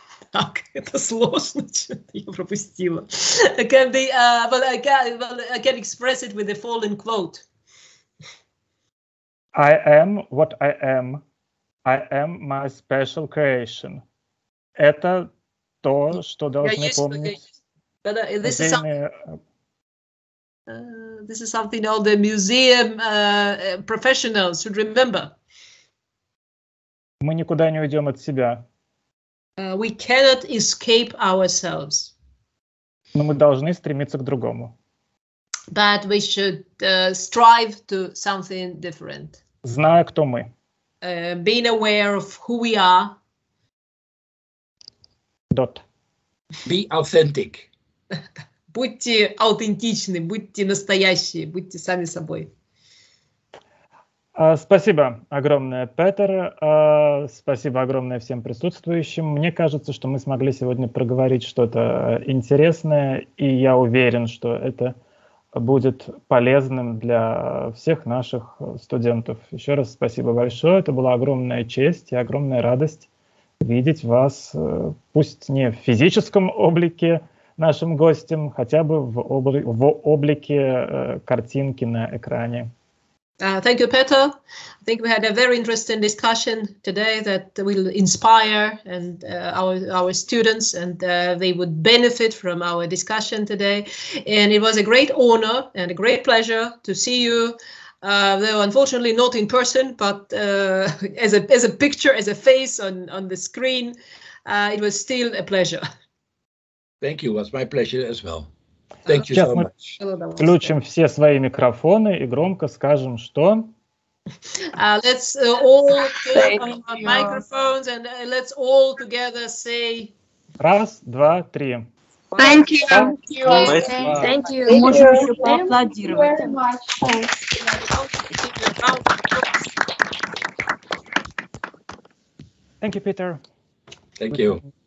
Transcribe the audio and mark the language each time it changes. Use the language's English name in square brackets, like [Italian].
[Russian] Так, это сложно, что-то я пропустила. [English] I can express it with the following quote. I am what I am. I am my special creation. [Russian] Это то, что должны помнить. [English] But, this is something all the museum professionals should remember. [Russian] Мы никуда не уйдем от себя. [English] We cannot escape ourselves. [Russian] Но мы должны стремиться к другому. [English] But we should strive to something different. [Russian] Зная, кто мы. [English] Being aware of who we are. Dot. Be authentic. [Russian] Будьте аутентичны, будьте настоящие, будьте сами собой. Спасибо огромное, Петер. Спасибо огромное всем присутствующим. Мне кажется, что мы смогли сегодня проговорить что-то интересное, и я уверен, что это будет полезным для всех наших студентов. Еще раз спасибо большое. Это была огромная честь и огромная радость видеть вас, пусть не в физическом облике, нашим гостям, хотя бы в облике картинки на экране. [English] Thank you, Peter. I think we had a very interesting discussion today that will inspire and our students, and they would benefit from our discussion today. And it was a great honor and a great pleasure to see you, though unfortunately not in person, but as a picture, as a face on the screen, it was still a pleasure. Thank you. It was my pleasure as well. Thank you [Russian] Сейчас [English] so [Russian] мы [English] much. [Russian] Включим все свои микрофоны и громко скажем, что... [English] Let's all turn on our microphones and let's all together say... [Russian] Раз, два, три. [English] Thank you. Thank you. Thank you. [Russian] Мы можем еще поаплодировать. [English] Thank you, Peter. Thank you.